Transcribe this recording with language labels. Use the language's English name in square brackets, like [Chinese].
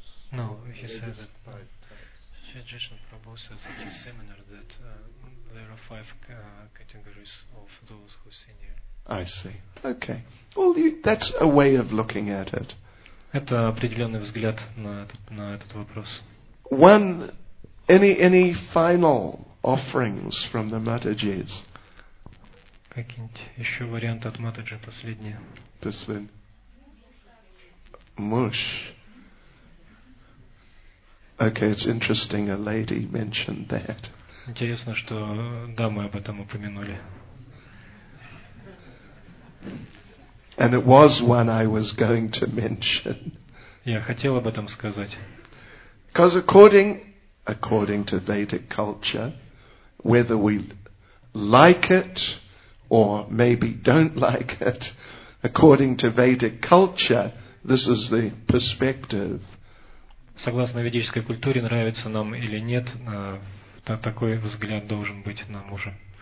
[English] No, he said that Sri Krishna Prabhu says in his seminar that there are five categories of those who senior. I see. Okay. Well, that's a way of looking at it. [Russian] Это определенный взгляд на этот вопрос. [English] One, any final offerings from the Matajis? [Russian] Какие-нибудь еще варианты от Матаджи последние? [English] This one. Mush. Okay, it's interesting. A lady mentioned that. [Russian] Интересно, что дамы об этом упомянули. [English] And it was one I was going to mention. [Russian] Я хотел об этом сказать. [English] Because according to Vedic culture, whether we like it or maybe don't like it, according to Vedic culture, this is the perspective. [Russian] Согласно ведической культуре, нравится нам или нет, такой взгляд должен быть на мужа.